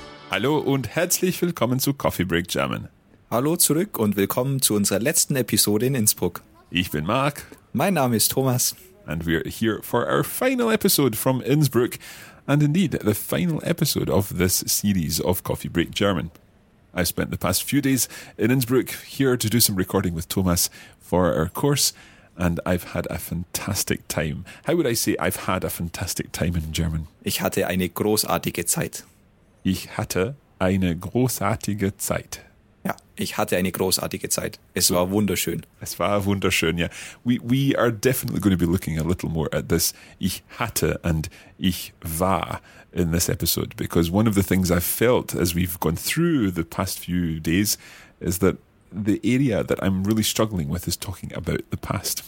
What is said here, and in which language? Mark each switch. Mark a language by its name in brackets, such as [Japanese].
[German] Hallo und herzlich willkommen zu Coffee Break German. Hallo zurück und willkommen zu unserer letzten Episode in Innsbruck. Ich bin Marc. Mein Name ist Thomas. [English] And we're here for our final episode from Innsbruck. And indeed, the final episode of this series of Coffee Break German. I spent the past few days in Innsbruck here to do some recording with Thomas for our course. And I've had a fantastic time. How would I say I've had a fantastic time in German? [German] Ich hatte eine großartige Zeit. Ich hatte eine großartige Zeit. Ja, ich hatte eine großartige Zeit. Es war wunderschön. Es war wunderschön, ja. [English] We are definitely going to be looking a little more at this ich hatte and ich war in this episode, because one of the things I've felt as we've gone through the past few days is that the area that I'm really struggling with is talking about the past.